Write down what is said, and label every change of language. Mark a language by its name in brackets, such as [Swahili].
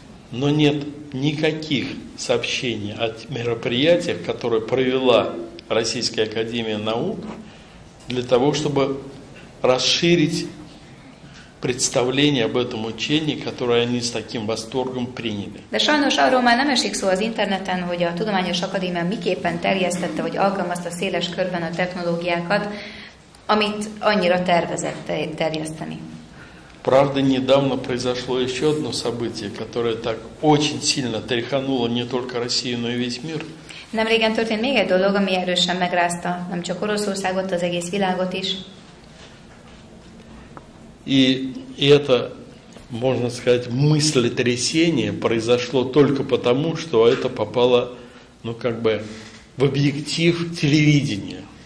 [Russian] Но нет никаких сообщений о мероприятиях, которые провела Российская Академия Наук для того, чтобы расширить представление об этом учении, которое они с таким восторгом приняли. [Hungarian] De sajnos arról már nem esik szó az interneten, hogy a Tudományos Akadémia miképpen terjesztette, vagy alkalmazta széles körben a technológiákat, amit annyira tervezett terjeszteni. [Russian] Правда, недавно произошло еще одно событие, которое так очень сильно тряхануло не только Россию, но и весь мир. [Hungarian] Nemrégen történt még egy dolog, ami erősen megrázta nem csak Oroszországot, az egész világot is. [Russian] И это, можно сказать, мыслетрясение произошло только потому, что это попало, ну как бы, в объектив телевидения.